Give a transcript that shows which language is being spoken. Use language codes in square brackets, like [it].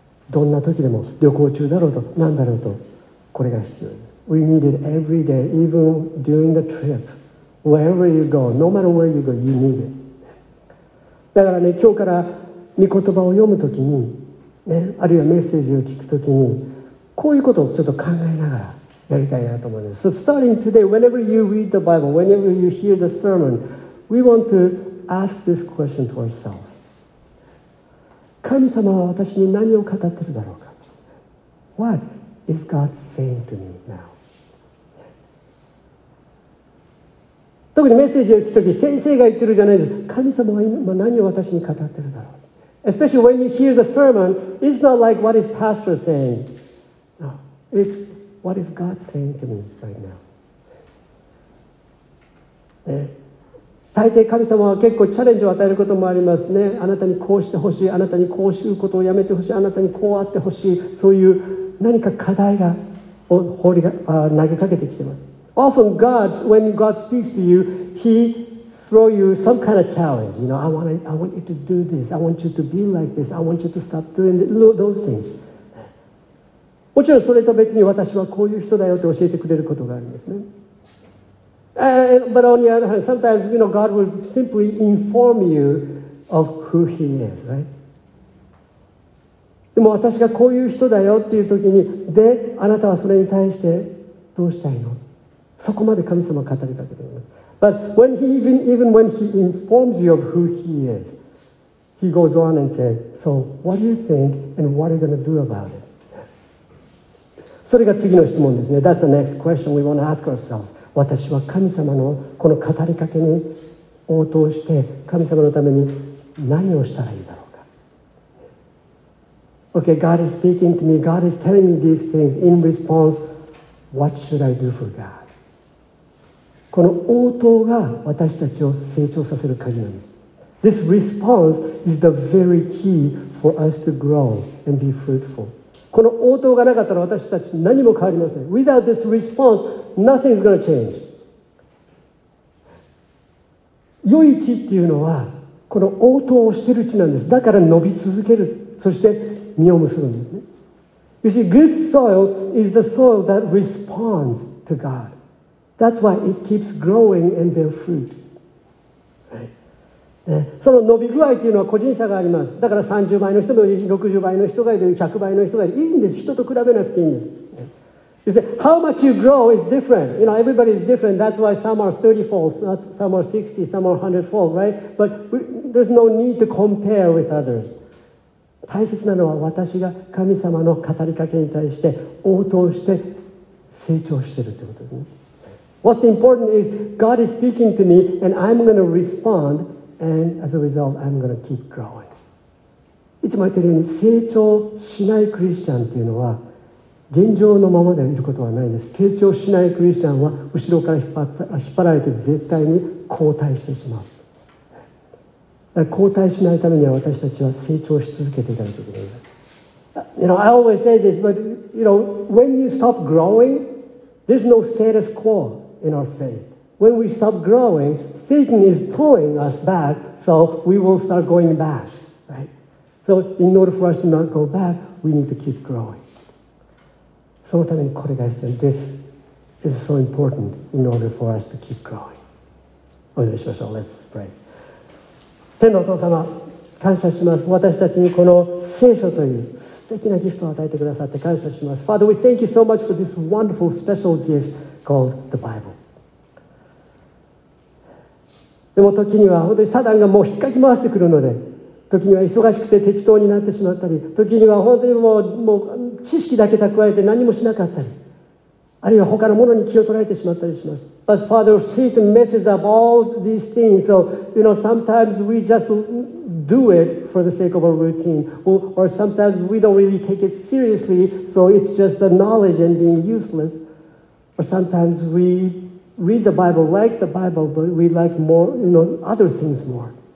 [ja] どんな時でも旅行中だろうと何だろうとこれが必要です。 [en] We need it every day, even during the trip. Wherever you go, no matter where you go, you need it. [ja] だからね、今日から御言葉を読む時に、ね、あるいはメッセージを聞く時に、こういうことをちょっと考えながらやりたいなと思います。 [en] So starting today, whenever you read the Bible, whenever you hear the sermon, we want to ask this question to ourselves. [ja] 神様は私に何を語ってるだろうか? [en] What is God saying to me now? [ja] 特にメッセージを聞くとき、先生が言ってるじゃないです。神様は今何を私に語ってるだろう? [en] Especially when you hear the sermon, it's not like what is pastor saying. No, it's what is God saying to me right now.、 [ja] ね大抵神様は結構チャレンジを与えることもありますね。あなたにこうしてほしい、あなたにこうすることをやめてほしい、あなたにこうあってほしい、そういう何か課題が投げかけてきています。 [en] Often God, when God speaks to you, He throws you some kind of challenge. You know, I want you to do this. I want you to be like this. I want you to stop doing those things. [ja] もちろんそれと別に私はこういう人だよって教えてくれることがあるんですね。 [en] But on the other hand, sometimes, you know, God will simply inform you of who He is, right? [ja] でも私がこういう人だよっていう時に、で、あなたはそれに対してどうしたいの? そこまで神様は語りかけています。 [en] But when he even when He informs you of who He is, He goes on and says, So what do you think and what are you going to do about it? [ja] それが次の質問ですね。 [en] That's the next question we want to ask ourselves. [ja] 私は神様のこの語りかけに応答して神様のために何をしたらいいだろうか。 [en] Okay, God is speaking to me. God is telling me these things. In response, what should I do for God? [ja] この応答が私たちを成長させる鍵なんです。 [en] This response is the very key for us to grow and be fruitful. [ja] この応答がなかったら私たち何も変わりません。 [en] Without this response, nothing is going to change. [ja] 良い地っていうのはこの応答をしている地なんです。だから伸び続ける、そして実を結ぶんですね。 [en] You see, good soil is the soil that responds to God. That's why it keeps growing and bear fruit. [ja] その伸び具合というのは個人差があります。だから30倍の人もいる、60倍の人がいる、100倍の人がいる、いいんです。人と比べなくていいんです。 [en] You say, How much you grow is different. You know, everybody is different. That's why some are 30-fold, some are 60, some are 100-fold, right? But there's no need to compare with others. [ja] 大切なのは私が神様の語りかけに対して応答して成長しているということですね。 [en] What's important is God is speaking to me and I'm going to respondAnd as a result, I'm going to keep growing. [ja] いつも言ってるように成長しないクリスチャンというのは現状のままでいることはないんです。成長しないクリスチャンは後ろから引っ張られて絶対に後退してしまう。後退しないためには私たちは成長し続けていかないといけない。 [en] You know, I always say this, but you know, when you stop growing, there's no status quo in our faith. When we stop growing, Satan is pulling us back, so we will start going back, right? So in order for us to not go back, we need to keep growing. [ja] そのためにこれが必要。 [en] This is so important in order for us to keep growing. [ja] お願いしましょう。 [en] Let's pray. [ja] 天のお父様、感謝します。私たちにこの聖書という素敵なギフトを与えてくださって感謝します。 [en] Father, we thank you so much for this wonderful, special gift called the Bible. [ja] でも時には本当にサタンがもう引っかき回してくるので、時には忙しくて適当になってしまったり、時には本当にもう知識だけ蓄えて何もしなかったり、あるいは他のものに気を取られてしまったりします。 [en] But Father, Satan messes up all these things. So, you know, sometimes we just do it for the sake of our routine. Or sometimes we don't really take it seriously. So it's just the knowledge and being useless. Or sometimes weRead the Bible, like the Bible, but we like more, you know, other things more.